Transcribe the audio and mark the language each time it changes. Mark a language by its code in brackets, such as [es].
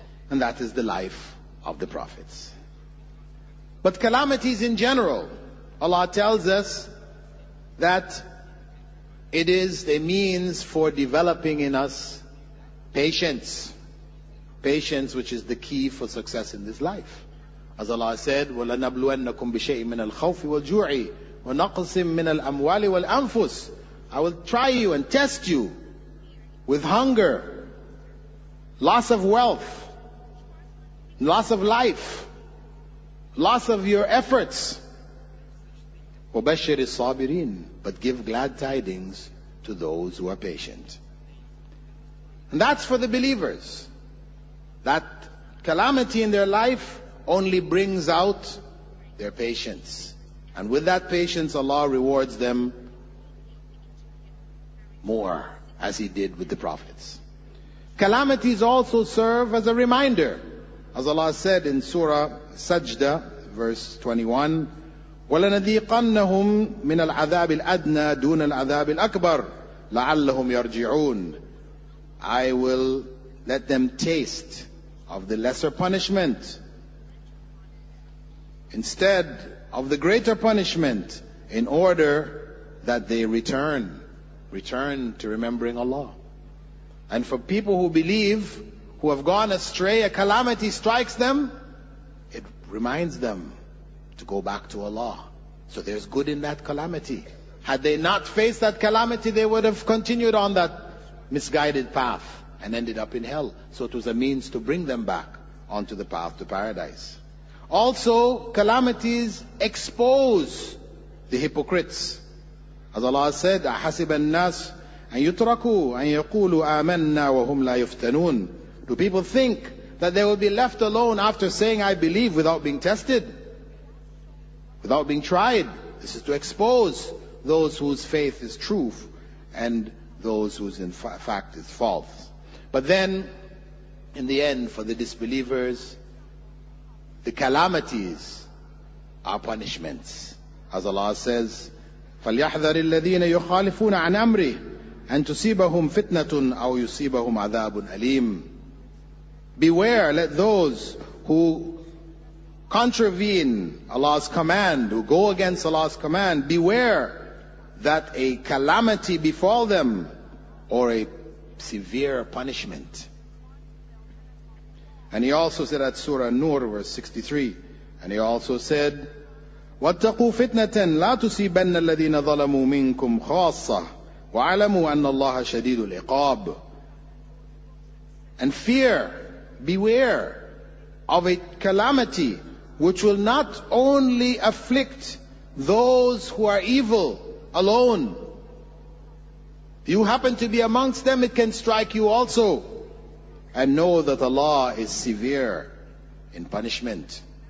[en] And that is the life of the prophets. But calamities in general, Allah tells us that it is a means for developing in us patience. Patience, which is the key for success in this life. As Allah said, [ar] وَلَنَبْلُوَنَّكُمْ بِشَيْءٍ مِّنَ الْخَوْفِ وَالْجُوعِ وَنَقْصٍ مِّنَ الْأَمْوَالِ وَالْأَنفُسِ. [en] I will try you and test you with hunger, loss of wealth, loss of life, loss of your efforts. [ar] وَبَشِّرِ الصَّابِرِينَ. [en] But give glad tidings to those who are patient. And that's for the believers. That calamity in their life only brings out their patience. And with that patience, Allah rewards them more, as He did with the prophets. Calamities also serve as a reminder. As Allah said in Surah Sajda, verse 21, [ar] وَلَنَذِيقَنَّهُمْ مِنَ الْعَذَابِ الْأَدْنَى دُونَ الْعَذَابِ الْأَكْبَرِ لَعَلَّهُمْ يَرْجِعُونَ. [en] I will let them taste of the lesser punishment instead of the greater punishment, in order that they return to remembering Allah. And for people who believe, who have gone astray, a calamity strikes them, it reminds them to go back to Allah. So there's good in that calamity. Had they not faced that calamity, they would have continued on that misguided path and ended up in hell. So it was a means to bring them back onto the path to paradise. Also, calamities expose the hypocrites. As Allah said, [ar] أَحَسِبَ النَّاسِ أَن يُتْرَكُوا أَن يَقُولُوا آمَنَّا وَهُمْ لَا يُفْتَنُونَ. [en] Do people think that they will be left alone after saying, I believe, without being tested, without being tried? This is to expose those whose faith is truth and those whose in fact is false. But then, in the end, for the disbelievers, the calamities are punishments. As Allah says, [ar] فَلْيَحْذَرِ الَّذِينَ يُخَالِفُونَ عَنْ أَمْرِهِ أَن تُصِيبَهُمْ فِتْنَةٌ أَوْ يُصِيبَهُمْ عَذَابٌ أَلِيمٌ. [en] Beware, let those who contravene Allah's command, who go against Allah's command, beware that a calamity befall them or a severe punishment. And he also said at Surah An-Nur, verse 63, and he also said, [ar] وَاتَّقُوا فِتْنَةً لَا تُسِيبَنَّ الَّذِينَ ظَلَمُوا مِنْكُمْ خَاصَّةً وَعَلَمُوا أَنَّ اللَّهَ شَدِيدُ الْعِقَابِ. [en] And fear, beware of a calamity which will not only afflict those who are evil alone. You happen to be amongst them, it can strike you also. And know that Allah is severe in punishment.